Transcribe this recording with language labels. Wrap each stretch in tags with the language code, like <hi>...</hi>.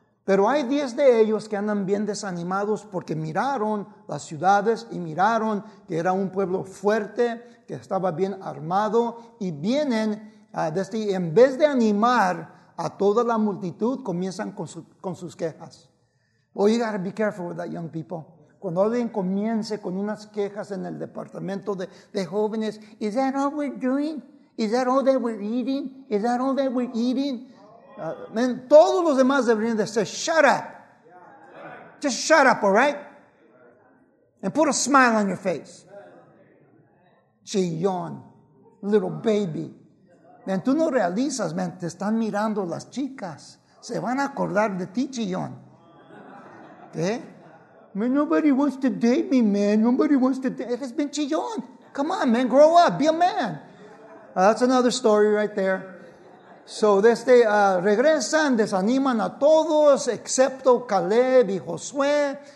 <es>Pero hay 10 de ellos que andan bien desanimados porque miraron las ciudades y miraron que era un pueblo fuerte, que estaba bien armado y vienen, en vez de animar a toda la multitud, comienzan con sus quejas.</es> <en>Oh, you gotta be careful with that, young people.</en> <es>Cuando alguien comience con unas quejas en el departamento de jóvenes,</es> <en>is that all we're doing? Is that all that we're eating? Is that all that we're eating?</en> <es>Man, todos los demás deberían de decir,</es> <en>shut up. Just shut up, all right? And put a smile on your face. Chillón, little baby.</en> <es>Man, tú no realizas, man, te están mirando las chicas. Se van a acordar de ti, chillón. ¿Eh?</es> <en>Man, nobody wants to date me, man. Nobody wants to date me.</en> <es>Eres bien chillón.</es> <en>Come on, man, grow up, be a man. That's another story right there.</en> <es>So, regresan, desaniman a todos, excepto Caleb y Josué.</es>